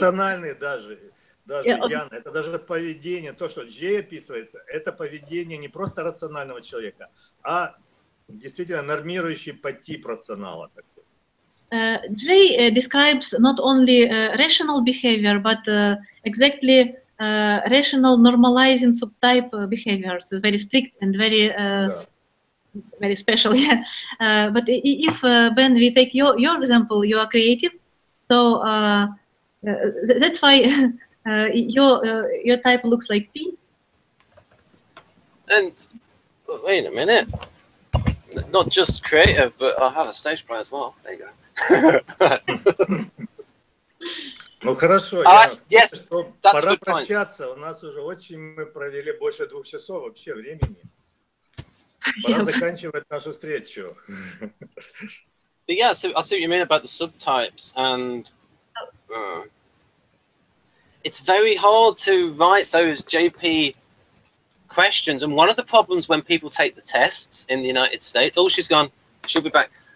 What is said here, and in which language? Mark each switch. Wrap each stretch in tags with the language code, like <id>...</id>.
<ru>Рациональный даже Яна, это даже поведение, то, что Джей описывается, это поведение не просто рационального человека, а действительно нормирующий по тип рационала такой.</ru> <en>Jay describes not only rational behavior, but exactly rational normalizing subtype behaviors. So very strict and very very special. But if Ben, we take your example, you are creative, so that's why your type looks like P. And wait a minute, not just creative, but I have a stage play as well. There you go.</en> <ru>Ну хорошо, пора прощаться. У нас уже очень мы провели больше двух часов вообще времени. Пора заканчивать нашу встречу.</ru> <en>But yeah, so I see what you mean about the subtypes, and it's very hard to write those JP questions. And one of the problems when people take the tests in the United States, oh, she's gone. She'll be back.</en>